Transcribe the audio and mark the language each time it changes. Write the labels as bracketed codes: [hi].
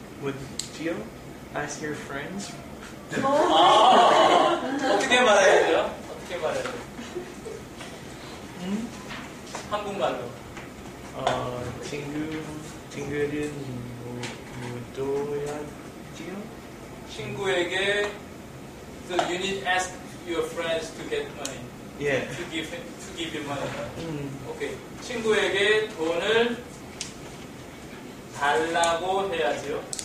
[en] Would you ask your friends? [ko] 어떻게 말해야 돼요? 어떻게 말해야 돼요? 한국말로. 친구들은 뭐 돈 이야기해요? 친구에게 [en] so you need to ask your friends to get money. Yeah. To give you money. Okay. [ko] 친구에게 돈을 달라고 해야지요.